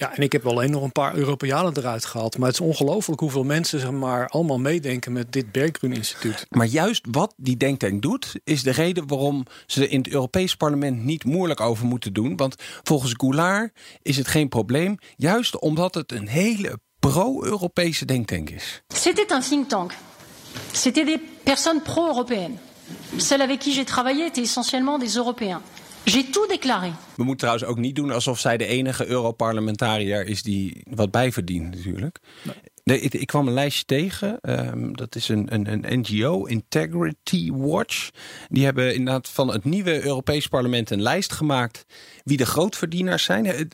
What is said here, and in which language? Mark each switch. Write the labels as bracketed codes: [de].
[nl] Ja, en ik heb alleen nog een paar Europeanen eruit gehaald. Maar het is ongelooflijk hoeveel mensen zeg maar allemaal meedenken met dit Berggruen-instituut. Maar juist wat die denktank doet, is de reden waarom ze er in het Europees parlement niet moeilijk over moeten doen. Want volgens Goulart is het geen probleem. Juist omdat het een hele pro-Europese denktank is. [fr] C'était un think tank. C'était des personnes pro-européennes. Celles avec qui j'ai travaillé étaient essentiellement des Européens. J'ai tout déclaré. [nl] We moeten trouwens ook niet doen alsof zij de enige Europarlementariër is die wat bijverdient natuurlijk. Nee. Ik kwam een lijstje tegen. Dat is een NGO, Integrity Watch. Die hebben inderdaad van het nieuwe Europees parlement een lijst gemaakt wie de grootverdieners zijn.